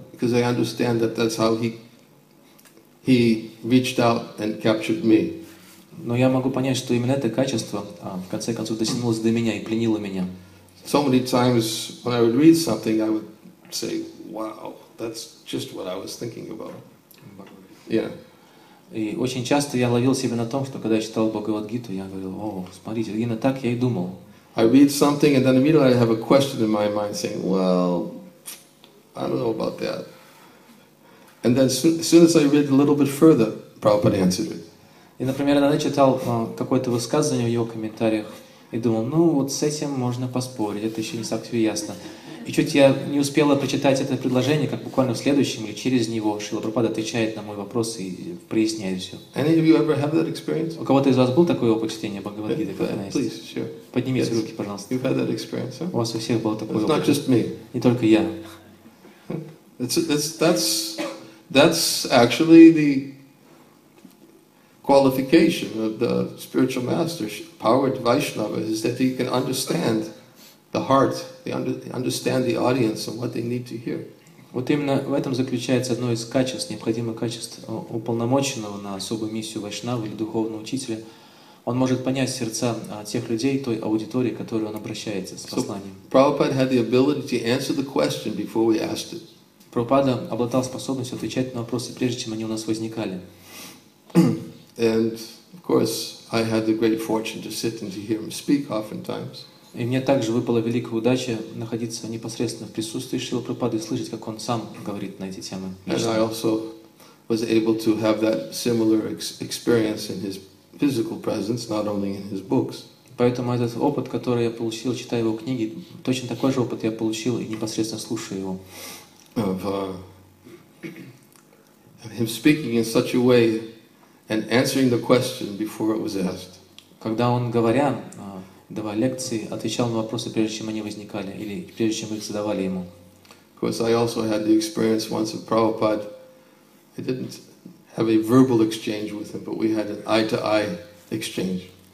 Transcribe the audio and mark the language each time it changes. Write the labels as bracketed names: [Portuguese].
[English] Because I understand that that's how he reached out and captured me. [Russian] Но я могу понять, что именно это качество в конце концов дотянулось до меня и пленило меня. [English] So many times when I would read something, I would say, "Wow, that's just what I was thinking about." Yeah. [Russian] И очень часто я ловил себя на том, что когда я читал Бхагавад-гиту, я говорил: "О, смотрите, именно так я и думал." [English] I read something and then immediately I have a question in my mind, saying, "Well, I don't know about that." And then, as soon as I read a little bit further, Prabhupada answered it. [Russian] И, например, я читал какое-то высказывание в его комментариях. И думал, ну вот с этим можно поспорить, это еще не совсем ясно. И чуть я не успел прочитать это предложение, как буквально в следующем или через него Шрила Прабхупада отвечает на мой вопрос и проясняет все. [English] Any of you ever have that experience? [Russian] У кого-то из вас был такое опыт чтения Бхагавад-гиты? Поднимите [English] yes. [Russian] руки, пожалуйста. [English] You've had that experience, huh? [Russian] У вас у всех был такой [English] it's [Russian] опыт. [English] Not just me. [Russian] Не только я. [English] That's actually the qualification of the spiritual master, power of Vaishnava, is that he can understand the heart, understand the audience and what they need to hear. [Russian] Вот именно в этом заключается одно из качеств, необходимое качество уполномоченного на особую миссию Вайшнавы или духовного учителя. Он может понять сердца тех людей, той аудитории, к которой он обращается с посланием. [English] So, Prabhupada had the ability to answer the question before we asked it. [Russian] Прабхупада обладал способностью отвечать на вопросы, прежде чем они у нас возникали. [English] And of course, I had the great fortune to sit and to hear him speak oftentimes. [Russian] И мне также выпала великая удача находиться непосредственно в присутствии Шрилы Прабхупады и слышать, как он сам говорит на эти темы. [English] And I also was able to have that similar experience in his physical presence, not only in his books. [Russian] Поэтому этот опыт, который я получил, читая его книги, точно такой же опыт я получил и непосредственно слушая его. [English] Him speaking in such a way. And answering the question before it was asked. [Russian] Когда он говоря, давая лекции, отвечал на вопросы, прежде чем они возникали или прежде чем их задавали ему. [English] Of course, I also had the experience once of Prabhupada. I didn't have a verbal exchange with him, but we had an eye-to-eye exchange.